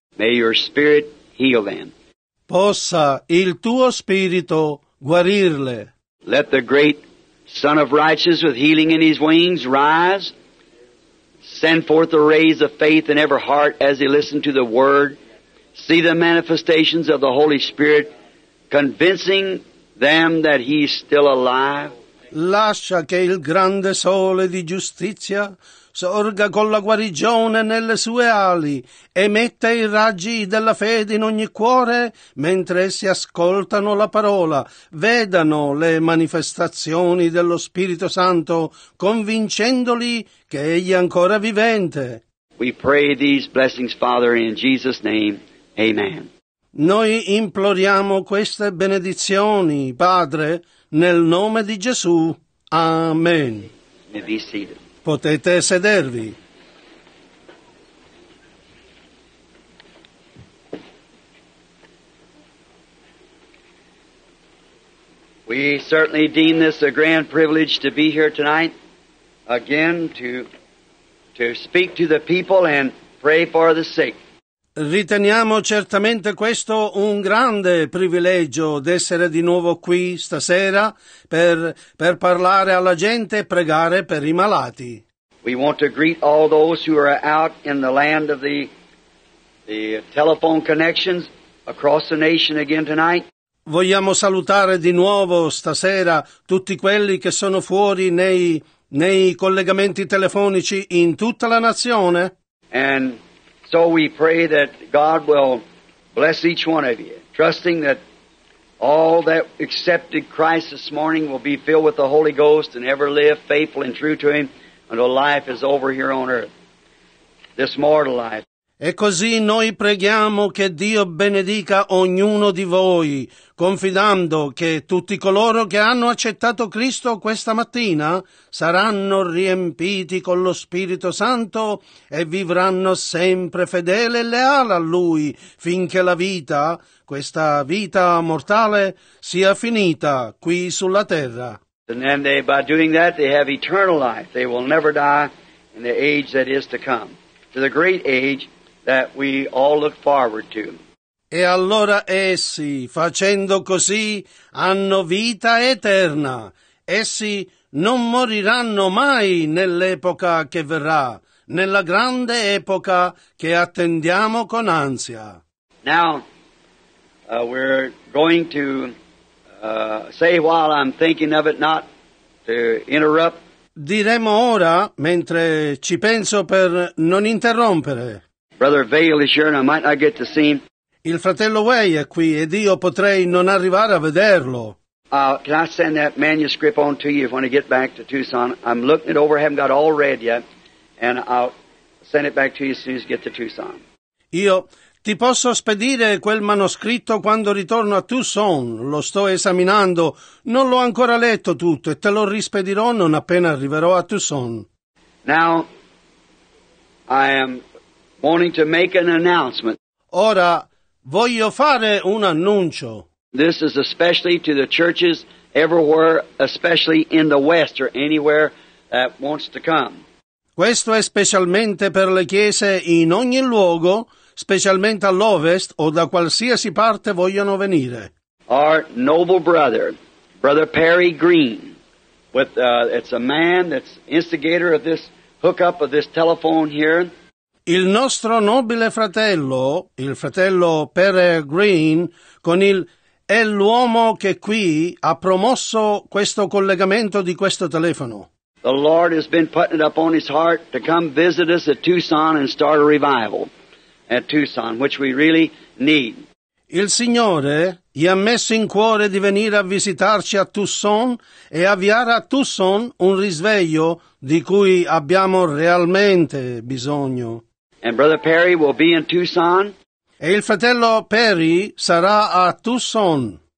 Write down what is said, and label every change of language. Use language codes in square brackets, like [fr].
[en] May your spirit heal them. [it] Possa il tuo spirito guarirle. [en] Let the great Son of Righteousness with healing in his wings rise. Send forth the rays of faith in every heart as they listen to the word. See the manifestations of the Holy Spirit convincing them that he is still alive. [it] Lascia che il grande sole di giustizia sorga con la guarigione nelle sue ali e metta i raggi della fede in ogni cuore mentre essi ascoltano la parola, vedano le manifestazioni dello Spirito Santo, convincendoli che egli è ancora vivente. [en] We pray these blessings, Father, in Jesus' name. Amen. [it] Noi imploriamo queste benedizioni, Padre, nel nome di Gesù. Amen. [en] May be seated. [it] Potete sedervi. [en] We certainly deem this a grand privilege to be here tonight again to speak to the people and pray for the sick. [it] Riteniamo certamente questo un grande privilegio d'essere di nuovo qui stasera per parlare alla gente e pregare per i malati. [en] We want to greet all those who are out in the land of the telephone connections across the nation again tonight. [it] Vogliamo salutare di nuovo stasera tutti quelli che sono fuori nei collegamenti telefonici in tutta la nazione. [en] And so we pray that God will bless each one of you, trusting that all that accepted Christ this morning will be filled with the Holy Ghost and ever live faithful and true to Him until life is over here on earth, this mortal life. [it] E così noi preghiamo che Dio benedica ognuno di voi, confidando che tutti coloro che hanno accettato Cristo questa mattina saranno riempiti con lo Spirito Santo e vivranno sempre fedele e leale a Lui finché la vita, questa vita mortale, sia finita qui sulla terra. [en] And then they, by doing that, they have eternal life. They will never die in the age that is to come, to the great age that we all look forward to. [it] E allora essi, facendo così, hanno vita eterna. Essi non moriranno mai nell'epoca che verrà, nella grande epoca che attendiamo con ansia. [en] Now, we're going to say while I'm thinking of it, not to interrupt. [it] Diremo ora, mentre ci penso, per non interrompere. [en] Brother Vail is here and I might not get to see him. [it] Il fratello Way è qui ed io potrei non arrivare a vederlo. [en] Can I send that manuscript on to you when I get back to Tucson? I'm looking it over, haven't got all read yet, and I'll send it back to you as soon as I get to Tucson. [it] Io ti posso spedire quel manoscritto quando ritorno a Tucson. Lo sto esaminando. Non l'ho ancora letto tutto e te lo rispedirò non appena arriverò a Tucson. [en] Now, I am wanting to make an announcement. [it] Ora voglio fare un annuncio. [en] This is especially to the churches everywhere, especially in the West or anywhere that wants to come. [it] Questo è specialmente per le chiese in ogni luogo, specialmente all'Ovest o da qualsiasi parte vogliono venire. [en] Our noble brother, Brother Perry Green, with it's a man that's instigator of this hookup of this telephone here. [it] Il nostro nobile fratello, il fratello Perry Green, è l'uomo che qui ha promosso questo collegamento di questo telefono. [en] The Lord has been putting it up on his heart to come visit us at Tucson and start a revival at Tucson, which we really need. [it] Il Signore gli ha messo in cuore di venire a visitarci a Tucson e avviare a Tucson un risveglio di cui abbiamo realmente bisogno. [en] And Brother Perry will be in Tucson. [it] E il fratello Perry sarà a Tucson.